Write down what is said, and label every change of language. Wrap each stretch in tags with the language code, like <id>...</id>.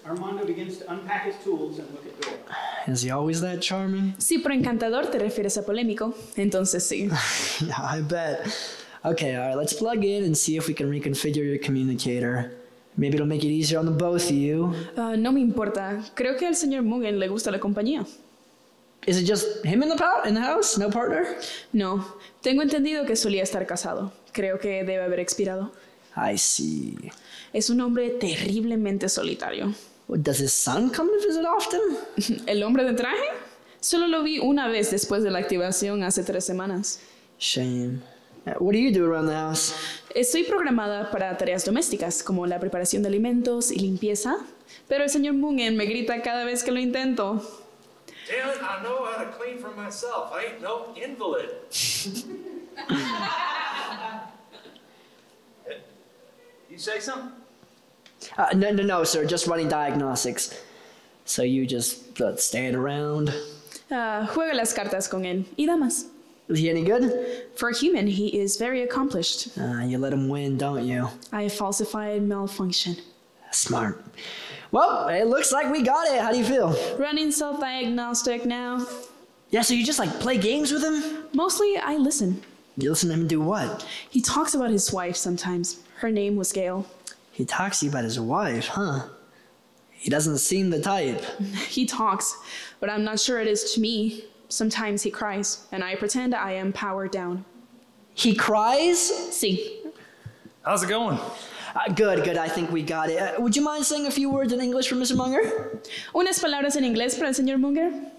<en>Armando begins to unpack his tools and look at Dora. Is he always that charming?</en> <es>Sí, por encantador te refieres a polémico. Entonces sí.</es> <en>Yeah, I bet. Okay, all right, let's plug in and see if we can reconfigure your communicator. Maybe it'll make it easier on the both of you.</en> <es>No me importa. Creo que al señor Mugen le gusta la compañía.</es> <en>Is it just him in the house? No partner?</en> <es>No. Tengo entendido que solía estar casado. Creo que debe haber expirado.</es> <en>I see.</en> <es>Es un hombre terriblemente solitario.</es> <en>Well, does his son come to visit often?</en> <es>¿El hombre de traje? Solo lo vi una vez después de la activación hace 3 semanas.</es> <en>Shame. What do you do around the house?</en> <es>Estoy programada para tareas domésticas, como la preparación de alimentos y limpieza. Pero el señor Mungen me grita cada vez que lo intento.</es> <en>Damn it, I know how to clean for myself. I ain't no invalid. You say something? No, sir. Just running diagnostics. So you just stand around?</en> <es>Juega las cartas con él. Y damas.</es> <en>Is he any good? For a human, he is very accomplished. You let him win, don't you? I falsified malfunction. Smart. Well, it looks like we got it. How do you feel? Running self-diagnostic now. Yeah, so you just, like, play games with him? Mostly, I listen. You listen to him do what? He talks about his wife sometimes. Her name was Gail. He talks to you about his wife, huh? He doesn't seem the type. He talks, but I'm not sure it is to me. Sometimes he cries, and I pretend I am powered down. He cries?</en> <es>Si.</es> <en>How's it going? Good. I think we got it. Would you mind saying a few words in English for Mr. Munger?</en> <es>Unas palabras en inglés para el señor Munger.</es>